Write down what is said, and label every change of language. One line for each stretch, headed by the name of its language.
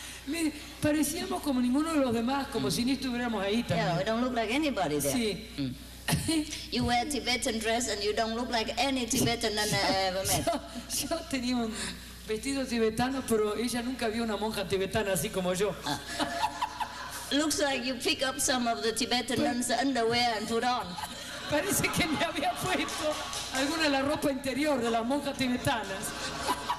Spanish: Mire, parecíamos como ninguno de los demás, como si ni estuviéramos ahí también.
English: Yeah, we don't look like anybody there.
Spanish: Sí.
English: You wear Tibetan dress and you don't look like any Tibetan nun I ever met.
Spanish: Yo tenía un vestido tibetano, pero ella nunca vio una monja tibetana así como yo.
English: Looks like you pick up some of the Tibetan nuns' underwear and put on.
Spanish: Parece que me había puesto alguna de la ropa interior de las monjas tibetanas.